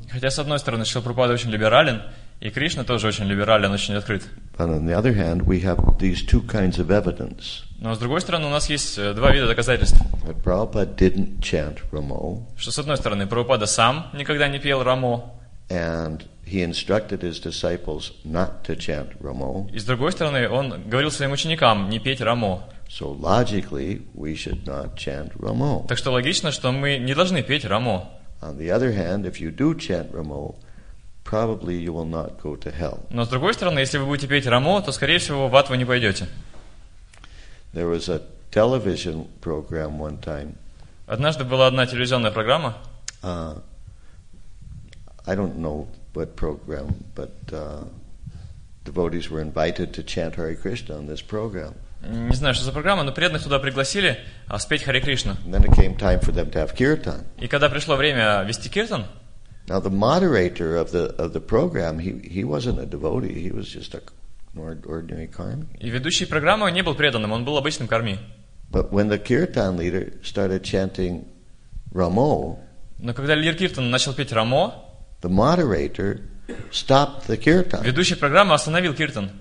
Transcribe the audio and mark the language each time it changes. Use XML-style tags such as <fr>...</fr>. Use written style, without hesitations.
<ru>Хотя с одной стороны, Шрила Прабхупада очень либерален, и Кришна тоже очень либерален, очень открыт.</ru> <en>But on the other hand, we have these two kinds of evidence.</en> <ru>Но с другой стороны, у нас есть два вида доказательств.</ru> <en>That Prabhupada didn't chant Ramo.</en> <ru>Что с одной стороны, Прабхупада сам никогда не пел Рамо.</ru> <en>And he instructed his disciples not to chant Ramo.</en> <ru>И с другой стороны, он говорил своим ученикам не петь Рамо.</ru> <en>So logically, we should not chant Ramo.</en> <ru>Так что логично, что мы не должны петь Рамо.</ru> <en>On the other hand, if you do chant Ramo, probably you will not go to hell.</en> <ru>Но с другой стороны, если вы будете петь Рамо, то скорее всего в ад вы не пойдете.</ru> <en>There was a television program one time.</en> <ru>Однажды была одна телевизионная программа.</ru> <en>I don't know what program, but devotees were invited to chant Hare Krishna on this program.</en> <ru>Не знаю, что за программа, но преданных туда пригласили, спеть Харе Кришна.</ru> <en>Then it came time for them to have kirtan.</en> <ru>И когда пришло время вести киртан.</ru> <en>Now the moderator of the program, he wasn't a devotee, he was just a ordinary karmi.</en> <ru>И ведущий программы не был преданным, он был обычным карми.</ru> <en>But when the kirtan leader started chanting Ramo,</en> <ru>но когда лидер киртана начал петь Рамо,</ru> <en>the moderator stopped the kirtan.</en> <ru>Ведущий программы остановил киртан.</ru>